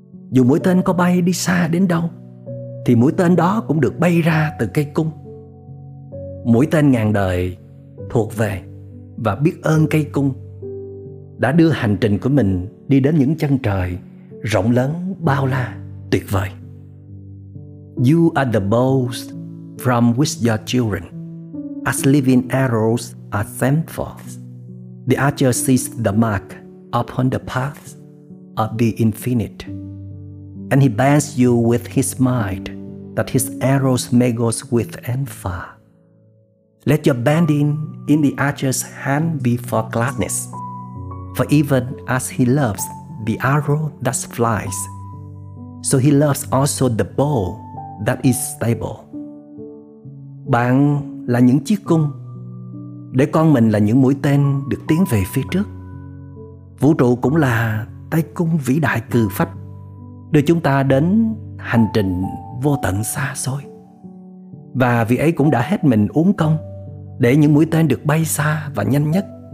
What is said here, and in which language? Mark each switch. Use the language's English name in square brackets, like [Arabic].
[Vietnamese] Dù mũi tên có bay đi xa đến đâu thì mũi tên đó cũng được bay ra từ cây cung. Mũi tên ngàn đời thuộc về và biết ơn cây cung đã đưa hành trình của mình đi đến những chân trời rộng lớn bao la tuyệt vời. [English] You are the bows from which your children, as living arrows, are sent forth. The archer sees the mark upon the path of the infinite, and he bends you with his might, that his arrows may go swift and far. Let your bending in the archer's hand be for gladness, for even as he loves the arrow that flies, so he loves also the bow that is stable. [Vietnamese] Bạn là những chiếc cung, để con mình là những mũi tên được tiến về phía trước. Vũ trụ cũng là tay cung vĩ đại cừ phách, đưa chúng ta đến hành trình vô tận xa xôi. Và vị ấy cũng đã hết mình uống công để những mũi tên được bay xa và nhanh nhất.